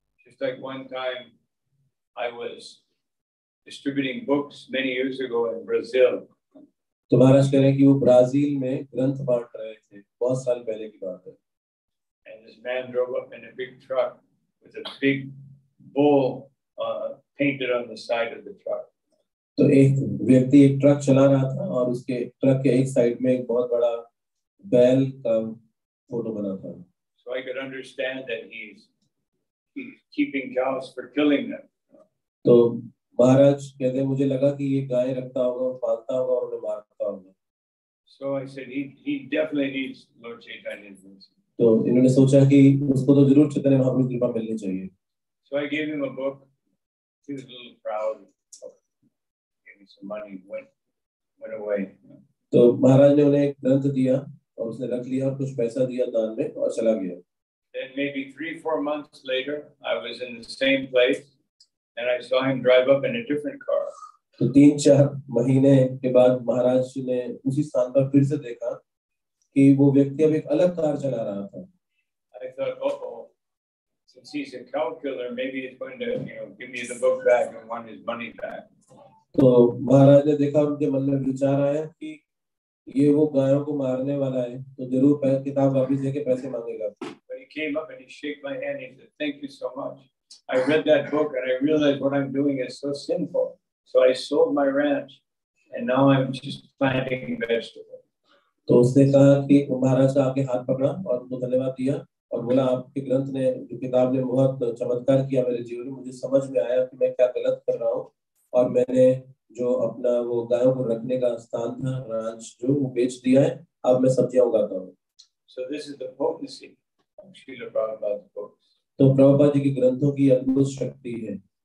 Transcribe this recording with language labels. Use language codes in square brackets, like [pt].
[en] Just like one time I was distributing books many years ago in Brazil. [hi] तो महाराज कह रहे कि वो ब्राजील में ग्रंथ बांट रहे थे, बहुत साल पहले की बात है. [en] And this man drove up in a big truck with a big bull painted on the side of the truck. [hi] तो एक व्यक्ति एक ट्रक चला रहा था और उसके ट्रक के एक साइड में एक बहुत बड़ा बैल का फोटो बना था. [en] So I could understand that he's keeping cows for killing them. [hi] तो महाराज कहते मुझे लगा कि ये गाय रखता होगा, पालता होगा और उन्हें मारता होगा. [en] So I said he definitely needs Lord Chaitanya's mercy. [hi] तो इन्होंने सोचा कि उसको तो जरूर चैतन्य महाप्रभु की कृपा मिलनी चाहिए. [en] So I gave him a book. He was a little proud. Gave me some money. Went away. [hi] तो महाराज ने उन्हें एक ग्रंथ दिया और उसने रख लिया, कुछ पैसा दिया दान में और चला गया. [en] Then maybe 3-4 months later, I was in the same place. And I saw him drive up in a different car. [hi] तो 3-4 महीने के बाद महाराज ने उसी स्थान पर फिर से देखा कि वो व्यक्ति अब एक अलग कार चला रहा था. [en] I thought, oh, since he's a cow killer, maybe he's going to, give me the book back and want his money back. [hi] तो महाराज ने देखा, उनके मन में विचार आया कि ये वो गायों को मारने वाला है, तो जरूर किताब वापस देके पैसे मांगेगा. [en] But he came up and he shook my hand and he said, thank you so much. I read that book and I realized what I'm doing is so sinful. So I sold my ranch and now I'm just planting vegetables. [hi] तो उसने कहा कि महाराज का आपके हाथ पकड़ा और उनको धन्यवाद दिया और बोला आपके ग्रंथ ने जो किताब ने बहुत चमत्कार किया मेरे जीवन में, मुझे समझ में आया कि मैं क्या गलत कर रहा हूँ और मैंने जो अपना वो गायों को रखने का स्थान था रांच जो वो बेच दिया है, अब मैं सब्जियां उगाता हूँ. [en] So this is the potency of Srila Prabhupada's books. [hi] तो प्रभुपाद जी के ग्रंथों की अद्भुत शक्ति है.